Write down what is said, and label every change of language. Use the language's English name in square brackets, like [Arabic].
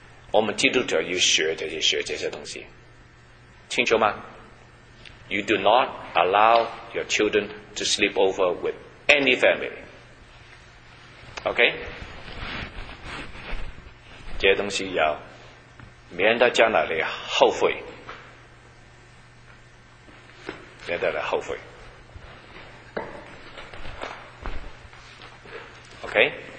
[Chinese] 我们基督徒要学这些东西，清楚吗？ [English] You do not allow your children to sleep over with any family. OK? [Chinese] 这些东西要免得将来你后悔。免得你后悔。 [English] OK?